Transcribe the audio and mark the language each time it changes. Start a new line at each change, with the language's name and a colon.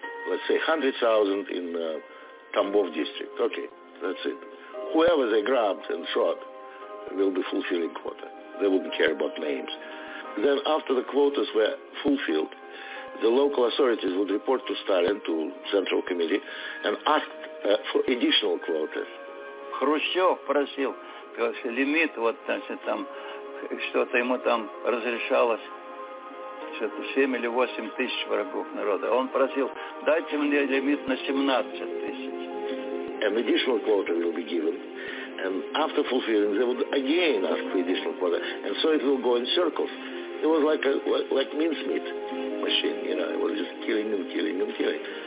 English: Let's say 100,000 in Tambov district. Okay, that's it. Whoever they grabbed and shot will be fulfilling quota. They wouldn't care about names. Then after the quotas were fulfilled, the local authorities would report to Stalin, to Central Committee, and ask for additional quotas.
Russian: Хрущев просил, говорит, лимит, вот, значит, там, что-то ему там разрешалось. Что-то 7 или 8 тысяч врагов народа. Он просил, дайте мне лимит на 17 тысяч.
English: An additional quota will be given. And after fulfilling, they would again ask for additional quota. And so it will go in circles. It was like a mincemeat machine, you know. It was just killing and killing and killing.